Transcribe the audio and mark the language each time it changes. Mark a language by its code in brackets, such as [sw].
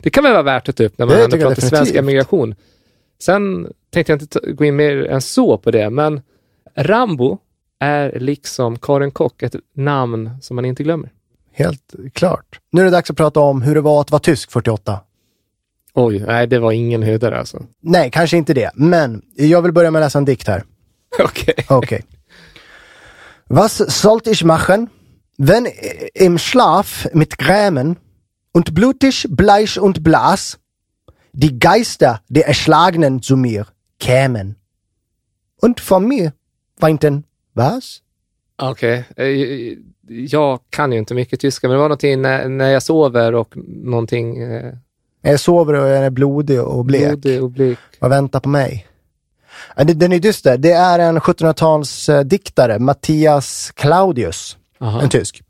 [sv] Det kan väl vara värt att ta upp när man ändå pratar definitivt svensk emigration. Sen tänkte jag inte gå in mer än så på det, men Rambo är liksom Karin Kock, ett namn som man inte glömmer. Helt klart. Nu är det dags att prata om hur det var att vara tysk 48. Oj, nej, det var ingen höjdare alltså. Nej, kanske inte det, men jag vill börja med att läsa en dikt här. Okej. [de] Was sollt ich machen, wenn im Schlaf mit Grämen und blutig, bleich und blass die Geister der Erschlagenen zu mir kämen und von mir weinten, was? [sv] Okej, jag kan ju inte mycket tyska, men det var någonting när jag sover och någonting... Jag sover och jag är blodig och blek. Blodig och blek. Och väntar på mig. Den är dyster. Det är en 1700-tals diktare, Matthias Claudius, aha, en tysk,